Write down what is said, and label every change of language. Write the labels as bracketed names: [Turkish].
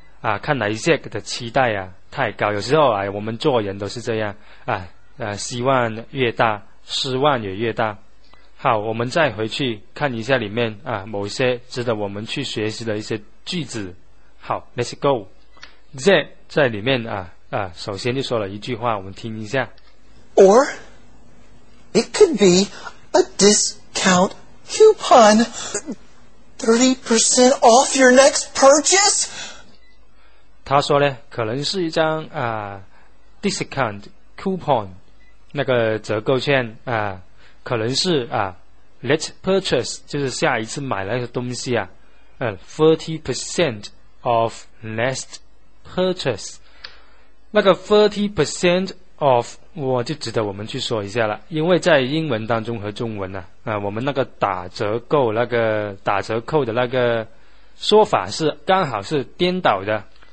[Chinese] 啊，看来 Z 的期待啊太高，有时候啊，我们做人都是这样啊，希望越大，失望也越大。好，我们再回去看一下里面啊，某些值得我们去学习的一些句子。 [English] 好 ，Let's go。 [Chinese] Zack 在里面啊，首先就说了一句话，我们听一下。 [English] Or it could be a discount coupon, 30% off your next purchase。 [Chinese] 他说呢，可能是一张啊 discount coupon 那个折扣券啊。可能是啊 ，next purchase 就是下一次买那个东西啊， [English] 30% of next purchase， [Chinese] 那个 30% of 我就值得我们去说一下了，因为在英文当中和中文啊，我们那个打折扣那个打折扣的那个说法是刚好是颠倒的，